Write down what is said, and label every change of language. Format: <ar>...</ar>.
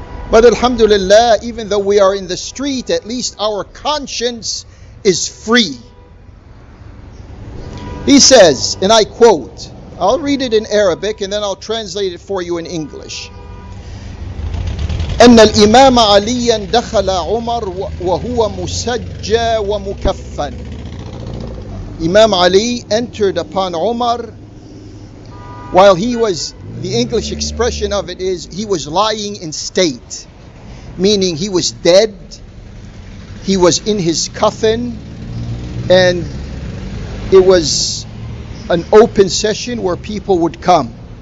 <en>But alhamdulillah, even though we are in the street, at least our conscience is free. He says, and I quote, I'll read it in Arabic and then I'll translate it for you in English.</en> <ar>أن الإمام عليا دخل عمر وهو مسجى ومكفن.</ar> <en>Imam Ali entered upon Umar while he was, the English expression of it is, he was lying in state, meaning he was dead, he was in his coffin, and it was an open session where people would come.</en>